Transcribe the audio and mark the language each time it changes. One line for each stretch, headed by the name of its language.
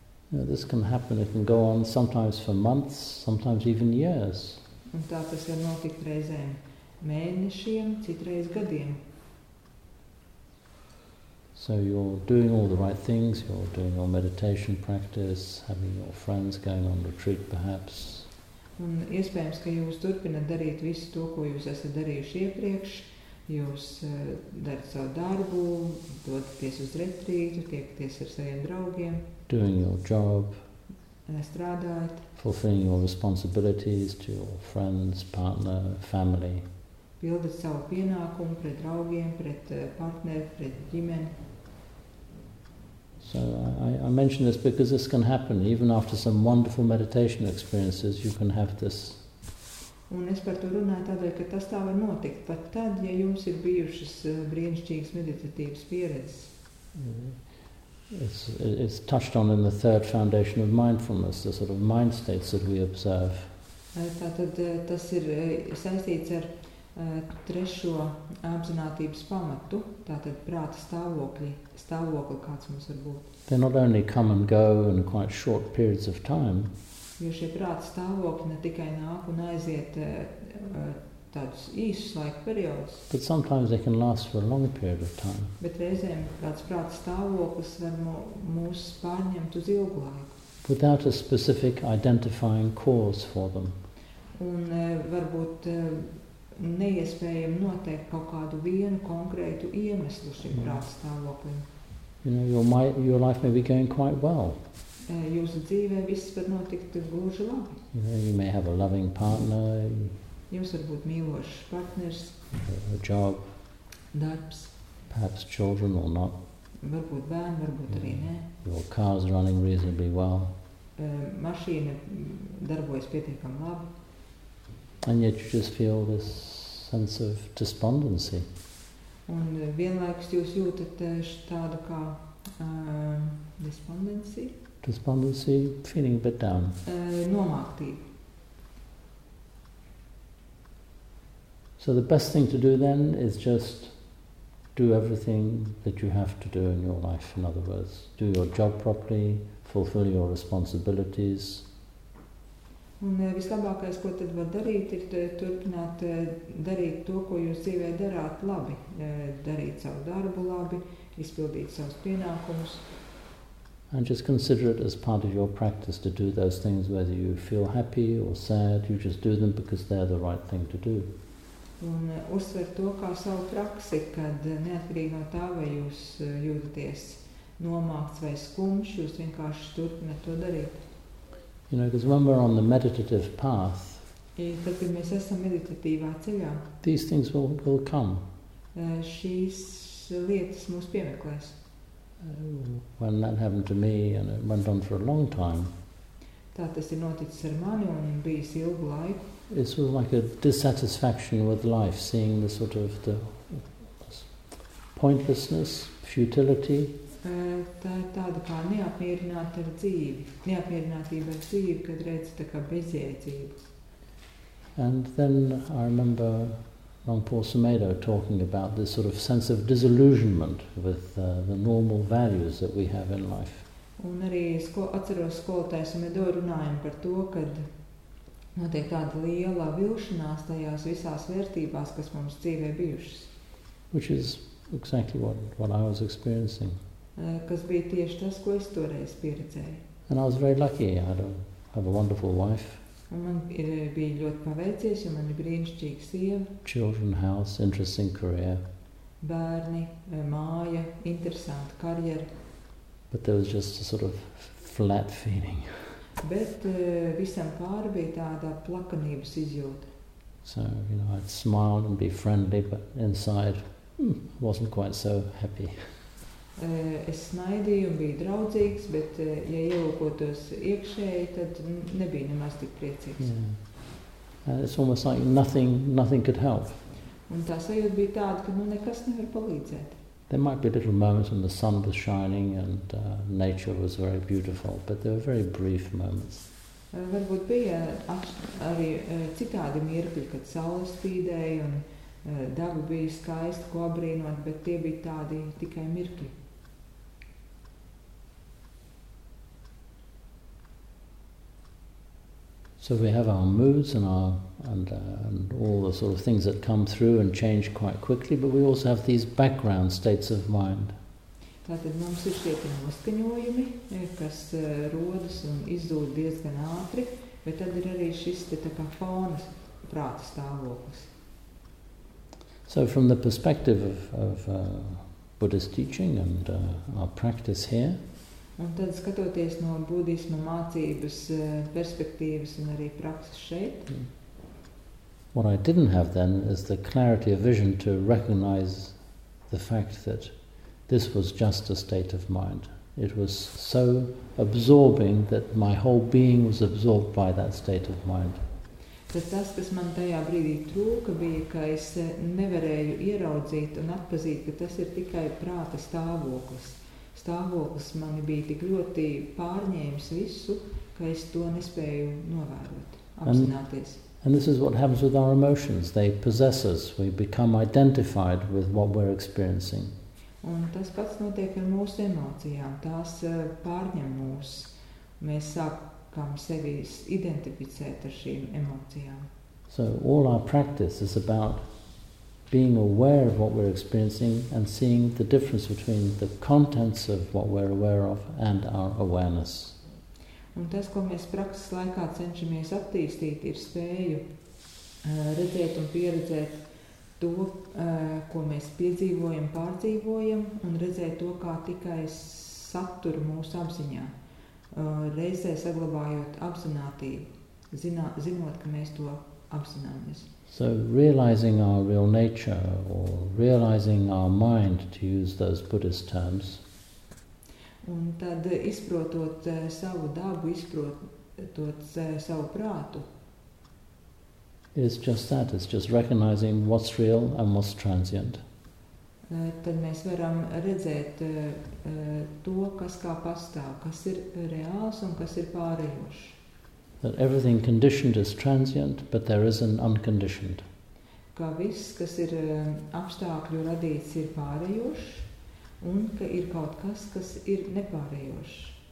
English: Yeah, this can happen, it can go on sometimes for months, sometimes even years.
Latvian: Un tā tas var notikt reizēm mēnešiem, citreiz gadiem.
English: So you're doing all the right things, you're doing your meditation practice, having your friends going on retreat perhaps.
Latvian: Un iespējams, ka jūs turpināt darīt visu to, ko jūs esat darījuši iepriekš. Jūs darat savu darbu, dodaties uz retrītu, tiekties ar saviem draugiem.
English: Doing your job.
Latvian: Strādājat.
English: Fulfilling your responsibilities to your friends, partner, family.
Latvian: Pildat savu pienākumu pret draugiem, pret partneri, pret ģimeni.
English: So I mention this because this can happen even after some wonderful meditation experiences you can have this.
Latvian: Un es par to runāju tādēļ, ka tas tā var notikt, pat tad, ja jums ir bijušas brīnišķīgas meditatīvas pieredzes.
English: It's touched on in the third foundation of mindfulness, the sort of mind states that we observe.
Latvian: Tātad tas ir saistīts ar trešo apzinātības pamatu, tātad prāta stāvokli, kāds mums var būt.
English: They not only come and go in quite short periods of time.
Latvian: Jo šie prāta stāvokļi ne tikai nāk un aiziet tādus īsus laika periodus.
English: But sometimes they can last for a long period of time.
Latvian: Bet reizēm kāds prāta stāvoklis var mūs pārņemt uz ilgu laiku.
English: without a specific identifying cause for them.
Latvian: Un varbūt neiespējami noteikt kaut kādu vienu konkrētu iemeslu šim prāta stāvoklim.
English: You know, your life may be going quite well.
Latvian: Jūsu dzīvē viss var notikt gluži labi.
English: You know, you may have a loving partner.
Latvian: Jūs var būt mīlošs partners.
English: A job.
Latvian: Darbs.
English: Perhaps children or not.
Latvian: Varbūt bērni, varbūt arī nē.
English: Your car is running reasonably well.
Latvian: Mašīna darbojas pietiekami labi.
English: And yet you just feel this sense of despondency.
Latvian: Un vienlaikus jūs jūtat tādu kā despondency.
English: Despondency, feeling a bit down.
Latvian: Nomāktība.
English: So the best thing to do then is just do everything that you have to do in your life, in other words. Do your job properly, fulfill your responsibilities.
Latvian: Un vislabākais, ko tad var darīt, ir turpināt darīt to, ko jūs dzīvē darāt labi. Darīt savu darbu labi, izpildīt savus pienākumus.
English: And just consider it as part of your practice to do those things, whether you feel happy or sad, you just do them because they're the right thing to do.
Latvian: Un uzsver to kā savu praksi, kad neatkarīgi no tā, vai jūs jūtaties nomākts vai skumšs, jūs vienkārši turpināt to darīt.
English: You know, because when we're on the meditative path,
Latvian: tad, kad mēs esam meditatīvā ceļā,
English: these things will come.
Latvian: Šīs lietas mūs piemeklēs.
English: When that happened to me, and it went on for a long time,
Latvian: tā tas ir noticis ar mani un bijis ilgu laiku.
English: It was like a dissatisfaction with life, seeing the sort of the pointlessness, futility.
Latvian: Tā ir tāda kā neapmierināta ar dzīvi, neapmierinātība ar dzīvi, kad redzi tā kā bezjēdzību.
English: And then I remember Rangpo Sumedho talking about this sort of sense of disillusionment with the normal values that we have in life.
Latvian: Un arī es atceros skolotāju Sumedho runājumu par to, kad notiek tāda liela vilšanās tajās visās vērtībās, kas mums dzīvē bijušas.
English: Which is exactly what I was experiencing.
Latvian: Kas bija tieši tas, ko es toreiz pieredzēju.
English: And I was very lucky. I have a wonderful wife.
Latvian: Un man ir bija ļoti paveicies, un man ir brīnišķīga sieva.
English: Children, house, interesting career.
Latvian: Bērni, māja, interesanta karjera.
English: But there was just a sort of flat feeling.
Latvian: Bet visam pāri bija tāda plakanības izjūta.
English: So, you know, I'd smile and be friendly, but inside wasn't quite so happy.
Latvian: Es smaidīju un biju draudzīgs, bet ja ielūkotos iekšēji, tad nebija nemaz tik priecīgs.
English: Yeah. It's almost like nothing could help.
Latvian: Un tā sajūta bija tāda, ka nu nekas nevar palīdzēt.
English: There might be little moments when the sun was shining and nature was very beautiful, but they were very brief moments.
Latvian: Varbūt bija arī citādi mirkļi, kad saule spīdēja un dabu bija skaisti, ko abrīnot, bet tie bija tādi tikai mirkļi.
English: So we have our moods and our and all the sort of things that come through and change quite quickly, but we also have these background states of mind.
Latvian: Tātad mums ir šie noskaņojumi, kas rodas un izdod diezgan ātri, bet tad ir arī šis tā kā fonas prāta stāvoklis.
English: So from the perspective of Buddhist teaching and our practice here,
Latvian: un tad skatoties no budisma mācības perspektīvas un arī prakses šeit.
English: What I didn't have then is the clarity of vision to recognize the fact that this was just a state of mind. It was so absorbing that my whole being was absorbed by that state of mind.
Latvian: Tad tas, kas man tajā brīdī trūka, bija, ka es nevarēju ieraudzīt un atpazīt, ka tas ir tikai prāta stāvoklis. Stāvoklis mani bija tik ļoti pārņēmis visu, ka es to nespēju novērot, apzināties.
English: And this is what happens with our emotions. They possess us. We become identified with what we're experiencing.
Latvian: Un tas pats notiek ar mūsu emocijām. Tās pārņem mūs. Mēs sākam sevi identificēt ar šīm emocijām.
English: So all our practice is about being aware of what we're experiencing and seeing the difference between the contents of what we're aware of and our awareness.
Latvian: Un tas, ko mēs prakses laikā cenšamies attīstīt, ir spēju redzēt un pieredzēt to, ko mēs piedzīvojam, pārdzīvojam, un redzēt to, kā tikai saturu mūsu apziņā. Reizē saglabājot apzinātību, zinot, ka mēs to apzināmies.
English: So realizing our real nature, or realizing our mind, to use those Buddhist terms.
Latvian: Un tad izprotot savu dabu, izprotot savu prātu.
English: It's just that, it's just recognizing what's real and what's transient.
Latvian: Tad mēs varam redzēt to, kas kā pastāv, kas ir reāls un kas ir pārējošs.
English: That everything conditioned is transient, but there is an unconditioned.
Latvian: Ka viss, kas ir apstākļu radīts, ir pārējošs, un ka ir kaut kas, kas ir nepārējošs.